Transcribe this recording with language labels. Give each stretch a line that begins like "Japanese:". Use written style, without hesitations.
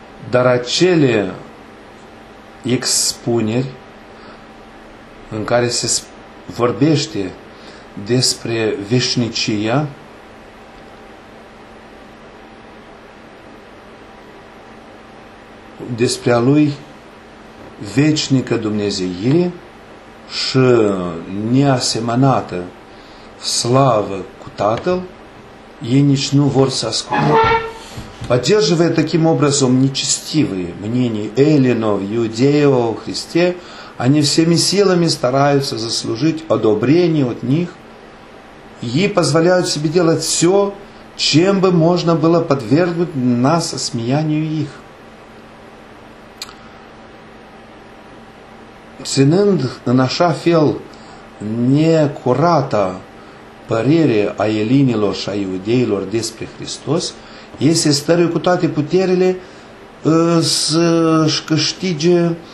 Romanian: Dar acele expuneri în care se vorbește despre veșnicia, despre a lui veșnică Dumnezeire și neasemănată slavă cu Tatăl, ei nici nu vor să ascultă.
Russian: Поддерживая таким образом нечестивые мнения эллинов, иудеев о Христе, они всеми силами стараются заслужить одобрение от них и позволяют себе делать все, чем бы можно было подвергнуть нас осмеянию их.
Romanian: Ценынд наша фел не курата парере а эллинилор ша иудейлор деспре Христос, este stăruit cu toate puterile să-și câștige